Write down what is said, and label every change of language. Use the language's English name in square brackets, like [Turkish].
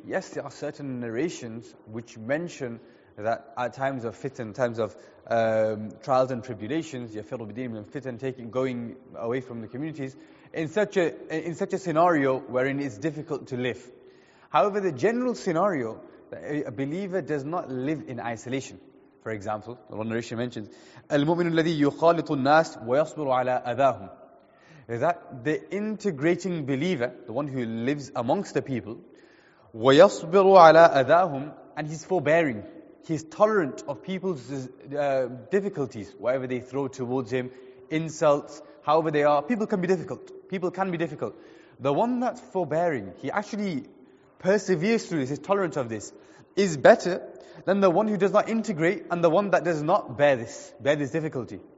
[English] Yes, there are certain narrations which mention that at times of fitan, times of trials and tribulations, yafirru bidinihim min fitan, taking, going away from the communities, in such a scenario wherein it's difficult to live. However, the general scenario, a believer does not live in isolation. [Arabic] For example, one narration mentions, المؤمن الذي يخالط الناس ويصبر على أذاهم. [English] That the integrating believer, the one who lives amongst the people, ويصبر على أذاهم, and he's forbearing. He's tolerant of people's difficulties, whatever they throw towards him, insults, however they are. People can be difficult. People can be difficult. The one that's forbearing, he actually perseveres through this, is tolerant of this, is better than the one who does not integrate and the one that does not bear this difficulty.